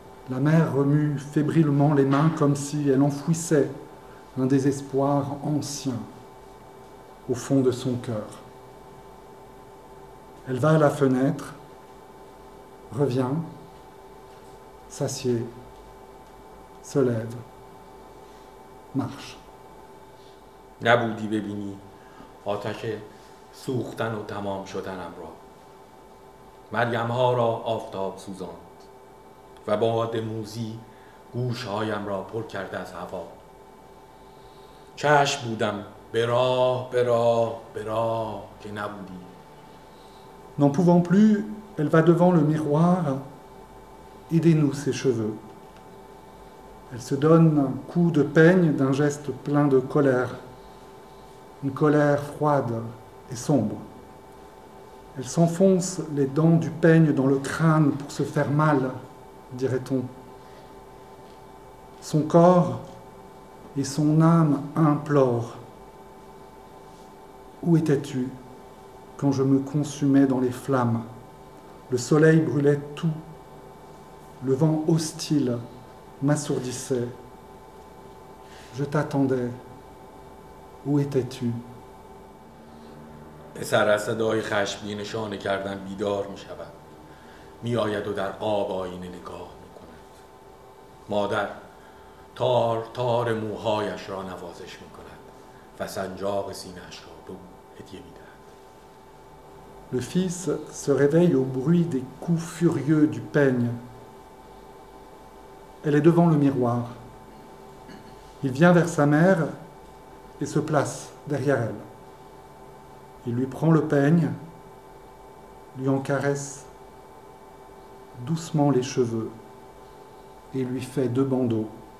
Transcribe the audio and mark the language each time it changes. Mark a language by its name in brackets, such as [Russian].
[French] La mère remue fébrilement les mains comme si elle enfouissait un désespoir ancien au fond de son cœur. Elle va à la fenêtre, revient, s'assied, se lève, marche. [Persian] Naboudi Bebini, attaché. سوختن و تمام شدنم را مریم‌ها را آفتاب سوزاند و باد موزی گوش‌هایم را پر کرد از هوا چشم بودم به راه که نبودی. [French] N'en pouvant plus, elle va devant le miroir. Aidez-nous ces cheveux. Elle se donne un coup de peigne d'un geste plein de colère. Une colère froide et sombre. Elle s'enfonce les dents du peigne dans le crâne pour se faire mal, dirait-on. Son corps et son âme implorent. Où étais-tu quand je me consumais dans les flammes? Le soleil brûlait tout. Le vent hostile m'assourdissait. Je t'attendais. Où étais-tu? [Persian] پسر از صدای خشمی نشانه کردن بیدار می شود. می آید و در آب آینه نگاه می کند. مادر تار تار موهایش را نوازش می کند و سنجاق سینه‌اش را به او هدیه می دهد. [French] Le fils se réveille au bruit des coups furieux du peigne. Elle est devant le miroir. Il vient vers sa mère et se place derrière elle. Il lui prend le peigne, lui en caresse doucement les cheveux et lui fait deux bandeaux.